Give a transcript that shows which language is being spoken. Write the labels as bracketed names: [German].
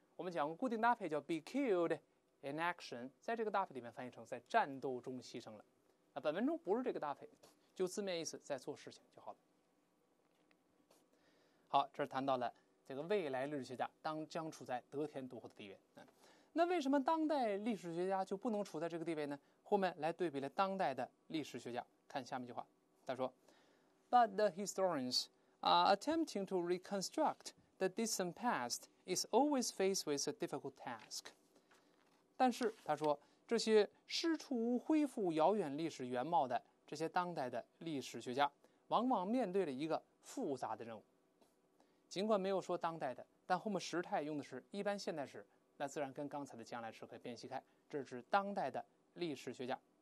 [Chinese] 我们讲过固定搭配叫 [English] be killed in action， [Chinese] 在这个搭配里面翻译成在战斗中牺牲了。本文中不是这个搭配，就字面意思在做事情就好了。好，这是谈到了这个未来历史学家当将处在得天独厚的地位。那为什么当代历史学家就不能处在这个地位呢？后面来对比了当代的历史学家，看下面句话，他说 [English] But the historians are attempting to reconstruct the distant past is always faced with a difficult task. [Chinese] 但是他说，这些试图恢复遥远历史原貌的这些当代的历史学家往往面对了一个复杂的任务。尽管没有说当代的，但后面时态用的是一般现代时，那自然跟刚才的将来时可以辨析开，这是当代的历史学家。